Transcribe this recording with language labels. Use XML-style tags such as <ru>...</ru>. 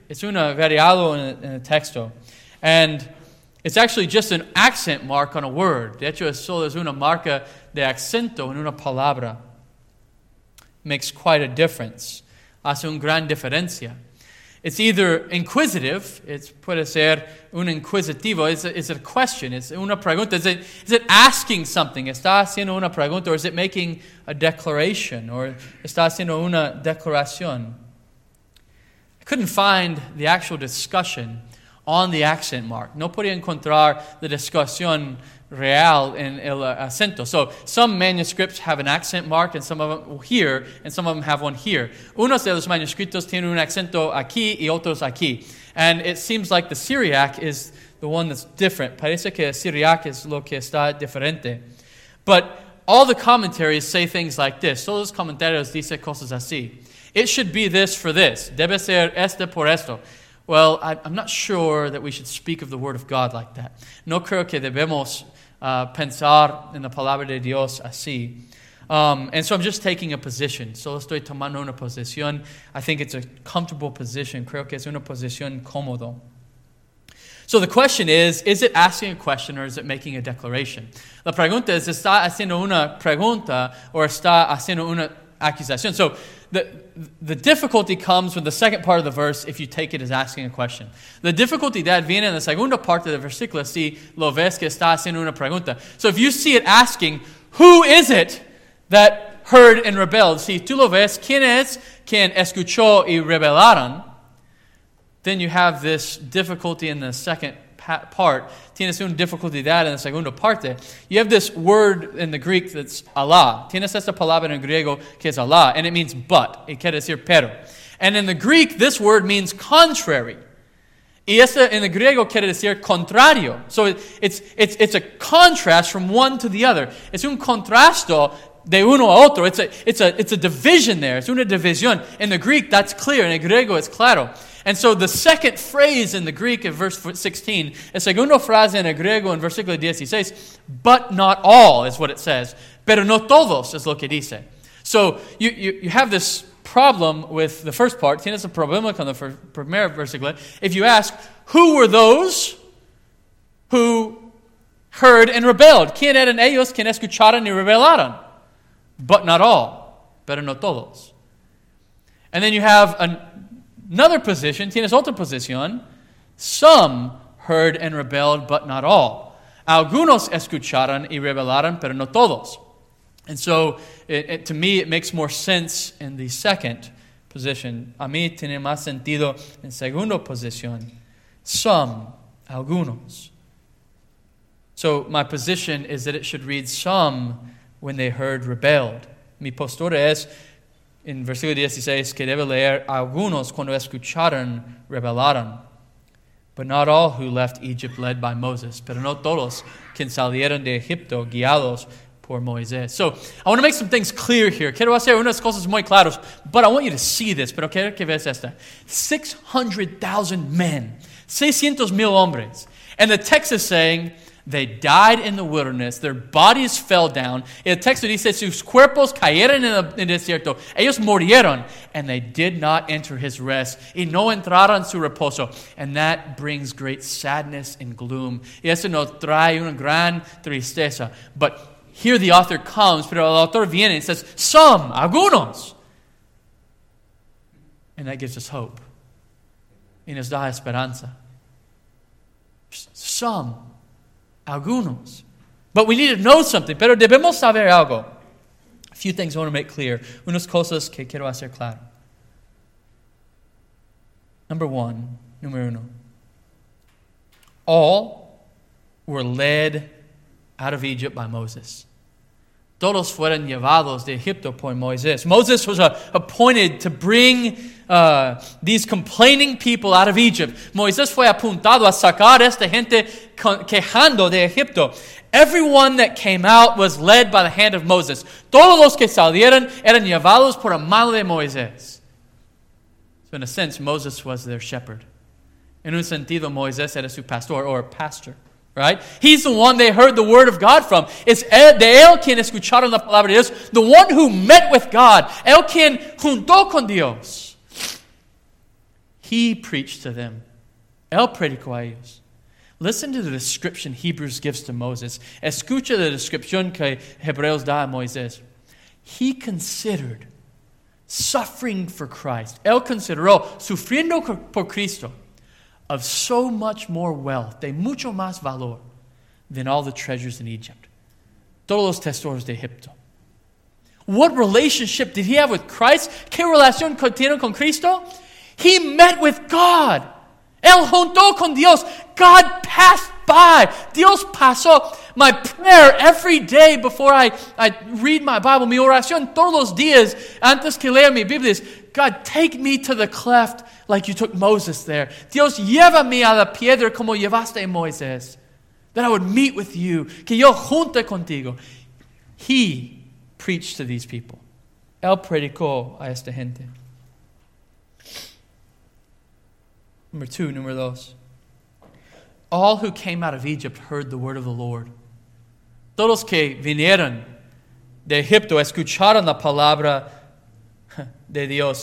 <en>It's</en> <es>una variado en el texto.</es> <en>And it's actually just an accent mark on a word.</en> <es>De hecho, solo es una marca de acento en una palabra.</es> <en>Makes quite a difference.</en> <es>Hace una gran diferencia.</es> <en>It's either inquisitive. It</en> <es>puede ser un inquisitivo.</es> <en>It's a question. It's</en> <es>una pregunta.</es> <en>Is it asking something?</en> <es>Está haciendo una pregunta.</es> <en>Or is it making a declaration? Or</en> <es>está haciendo una declaración?</es> <en>I couldn't find the actual discussion on the accent mark.</en> <es>No podía encontrar la discusión real en el acento.</es> <en>So, some manuscripts have an accent mark and some of them here, and some of them have one here.</en> <es>Unos de los manuscritos tienen un acento aquí y otros aquí.</es> <en>And it seems like the Syriac is the one that's different.</en> <es>Parece que Syriac es lo que está diferente.</es> <en>But all the commentaries say things like this.</en> <es>Todos los comentarios dicen cosas así.</es> <en>It should be this for this.</en> <es>Debe ser este por esto.</es> <en>Well, I'm not sure that we should speak of the Word of God like that.</en> <es>No creo que debemos pensar en la palabra de Dios así.</es> <en>And so I'm just taking a position.</en> <es>Solo estoy tomando una posición.</es> <en>I think it's a comfortable position.</en> <es>Creo que es una posición cómodo.</es> <en>So the question is it asking a question or is it making a declaration?</en> <es>La pregunta es, ¿está haciendo una pregunta o está haciendo una accusación?</es> <en>So the difficulty comes with the second part of the verse if you take it as asking a question. The difficulty that</en> <es>viene en la segunda parte del versículo si lo ves que está haciendo una pregunta.</es> <en>So if you see it asking, who is it that heard and rebelled?</en> <es>Si tú lo ves, ¿quién es quien escuchó y rebelaron?</es> <en>Then you have this difficulty in the second part.</en> <es>Tienes un</es> <en>difficulty that in the</en> <es>segunda parte.</es> <en>You have this word in the Greek that's Allah.</en> <es>Tienes esta palabra en el griego que es Allah.</es> <en>And it means but.</en> <es>Y quiere decir pero.</es> <en>And in the Greek, this word means contrary.</en> <es>Y esta en el griego quiere decir contrario.</es> <en>So it's a contrast from one to the other.</en> <es>Es un contrasto de uno a otro.</es> <en>It's a division there.</en> <es>Es una división.</es> <en>In the Greek, that's clear. In</en> <es>el griego,</es> <en>it's claro. And so the second phrase in the Greek in verse 16,</en> <es>el segundo frase en el griego en versículo 16,</es> <en>but not all is what it says.</en> <es>Pero no todos es lo que dice.</es> <en>So you have this problem with the first part.</en> <es>Tienes un problema con la primera versículo.</es> <en>If you ask, who were those who heard and rebelled?</en> <es>¿Quién eran ellos quien escucharon y rebelaron?</es> <en>But not all.</en> <es>Pero no todos.</es> <en>And then you have another position,</en> <es>tienes otra posición.</es> <en>Some heard and rebelled, but not all.</en> <es>Algunos escucharon y rebelaron, pero no todos.</es> <en>And so, to me, it makes more sense in the second position.</en> <es>A mí tiene más sentido en segunda posición.</es> <en>Some,</en> <es>algunos.</es> <en>So, my position is that it should read some when they heard rebelled.</en> <es>Mi postura es, en versículo 16, que debe leer, algunos cuando escucharon, rebelaron.</es> <en>But not all who left Egypt led by Moses.</en> <es>Pero no todos quien salieron de Egipto guiados por Moisés.</es> <en>So, I want to make some things clear here.</en> <es>Quiero hacer unas cosas muy claras.</es> <en>But I want you to see this.</en> <es>Pero quiero que veas esta.</es> <en>600,000 men.</en> <es>600,000 hombres.</es> <en>And the text is saying, they died in the wilderness. Their bodies fell down.</en> <es>El texto dice, sus cuerpos cayeron en el desierto. Ellos murieron.</es> <en>And they did not enter his rest.</en> <es>Y no entraron su reposo.</es> <en>And that brings great sadness and gloom.</en> <es>Y eso nos trae una gran tristeza.</es> <en>But here the author comes.</en> <es>Pero el autor viene</es> <en>and says, some,</en> <es>algunos.</es> <en>And that gives us hope.</en> <es>Y nos da esperanza.</es> <en>Some.</en> <es>Algunos.</es> <en>But we need to know something.</en> <es>Pero debemos saber algo.</es> <en>A few things I want to make clear.</en> <es>Unas cosas que quiero hacer claro.</es> <en>Number one. All were led out of Egypt by Moses.</en> <es>Todos fueron llevados de Egipto por Moisés.</es> <en>Moses was appointed to bring these complaining people out of Egypt.</en> <es>Moisés fue apuntado a sacar esta gente quejando de Egipto.</es> <en>Everyone that came out was led by the hand of Moses.</en> <es>Todos los que salieron eran llevados por la mano de Moisés.</es> <en>So in a sense, Moses was their shepherd.</en> <es>En un sentido, Moisés era su pastor</es> <en>or pastor. Right? He's the one they heard the word of God from.</en> <es>Es de él quien escucharon la palabra de Dios.</es> <en>The one who met with God.</en> <es>El quien juntó con Dios.</es> <en>He preached to them.</en> <es>El predicó a ellos.</es> <en>Listen to the description Hebrews gives to Moses.</en> <es>Escucha la descripción que Hebreos da a Moisés.</es> <en>He considered suffering for Christ.</en> <es>El consideró sufriendo por Cristo.</es> <en>Of so much more wealth,</en> <es>de mucho más valor,</es> <en>than all the treasures in Egypt.</en> <es>Todos los tesoros de Egipto.</es> <en>What relationship did he have with Christ?</en> <es>¿Qué relación tiene con Cristo?</es> <en>He met with God.</en> <es>Él juntó con Dios.</es> <en>God passed by.</en> <es>Dios pasó.</es> <en>My prayer every day before I read my Bible,</en> <es>mi oración todos los días, antes que lea mi Biblia,</es> <en>is, God, take me to the cleft. like you took Moses there.</en> <es>Dios, llévame a la piedra como llevaste a Moisés.</es> <en>That I would meet with you.</en> <es>Que yo junte contigo.</es> <en>He preached to these people.</en> <es>Él predicó a esta gente. Número dos.</es> <en>All who came out of Egypt heard the word of the Lord.</en> <es>Todos que vinieron de Egipto escucharon la palabra de Dios.</es>